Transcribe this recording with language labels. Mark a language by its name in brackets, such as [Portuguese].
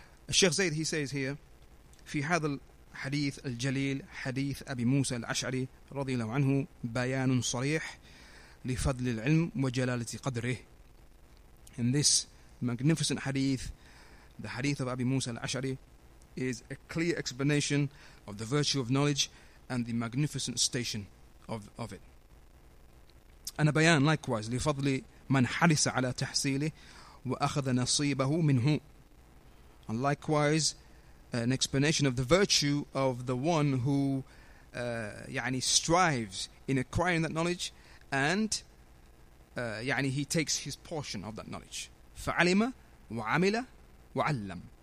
[English] Sheikh Zayd, he says here, [Arabic] في هذا الحديث الجليل حديث أبي موسى الأشعري رضي الله عنه بيان صريح لفضل العلم وجلالة قدره. [English] In this magnificent hadith, the hadith of Abi Musa al-Ash'ari, is a clear explanation of the virtue of knowledge and the magnificent station of it. [Arabic] أنا بيان likewise لفضل من حرس على تحصيله وأخذ نصيبه منه. [English] And likewise, an explanation of the virtue of the one who يعني strives in acquiring that knowledge, and يعني he takes his portion of that knowledge. [Arabic] فَعَلِمَ وَعَمِلَ وَعَلَّمْ.